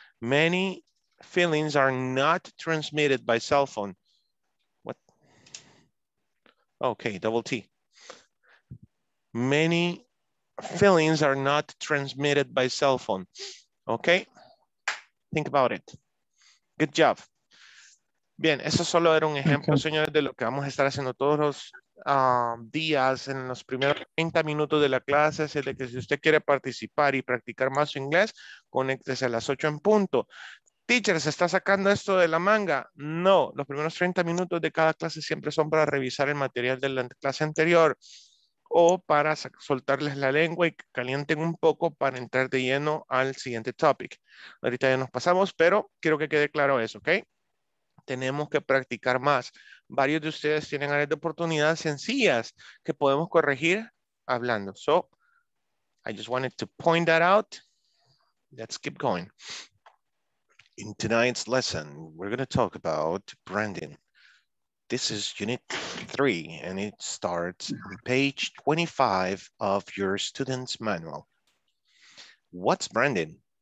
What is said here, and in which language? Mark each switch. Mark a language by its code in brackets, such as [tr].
[en] Many feelings are not transmitted by cell phone. What? Okay, double T. Many feelings are not transmitted by cell phone. Okay, think about it. Good job. [es] Bien, eso solo era un ejemplo, señores, de lo que vamos a estar haciendo todos los días en los primeros 30 minutos de la clase. Es de que si usted quiere participar y practicar más su inglés, conéctese a las 8 en punto. Teacher, ¿se está sacando esto de la manga? No, los primeros 30 minutos de cada clase siempre son para revisar el material de la clase anterior o para soltarles la lengua y calienten un poco para entrar de lleno al siguiente topic. Ahorita ya nos pasamos, pero quiero que quede claro eso, ¿ok? Tenemos que practicar más. Varios de ustedes tienen áreas de oportunidad sencillas que podemos corregir hablando. [en] So, I just wanted to point that out. Let's keep going. In tonight's lesson, we're going to talk about branding. This is unit 3, and it starts on page 25 of your student's manual. What's branding?